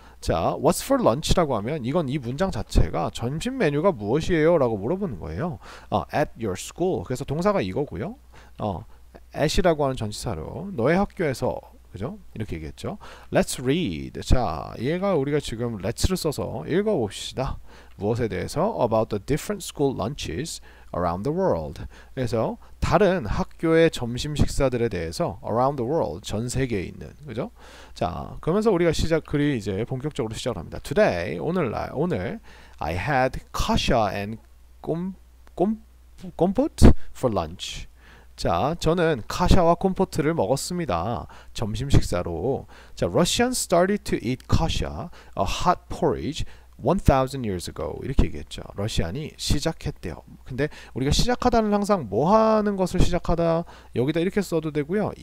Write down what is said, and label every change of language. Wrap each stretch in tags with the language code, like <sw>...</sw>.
<ko>자,</ko> <en>what's for lunch</en> <ko>라고 하면 이건 이 문장 자체가 점심 메뉴가 무엇이에요라고 물어보는 거예요.</ko> <en>at your school.</en> <ko>그래서 동사가 이거고요. at이라고 하는 전치사로 너의 학교에서 그죠? 이렇게 얘기했죠.</ko> <en>Let's read.</en> <ko>자, 얘가 우리가 지금 let's를 써서 읽어봅시다. 무엇에 대해서?</ko> <en>About the different school lunches around the world.</en> <ko>그래서 다른 학교의 점심 식사들에 대해서</ko> <en>around the world,</en> <ko>전 세계에 있는. 그죠? 자, 그러면서 우리가 시작, 글이 이제 본격적으로 시작을 합니다.</ko> <en>Today,</en> <ko>오늘날, 오늘,</ko> <en>I had kasha and compote for lunch.</en> <ko>자, 저는 카샤와 콤포트를 먹었습니다. 점심 식사로.</ko> <en>자, Russians started to eat kasha, a hot porridge, 1,000 years ago.</en> <ko>이렇게 얘기했죠. 러시안이 시작했대요. 근데 우리가 시작하다는 항상 뭐 하는 것을 시작하다 여기다 이렇게 써도 되고요.</ko>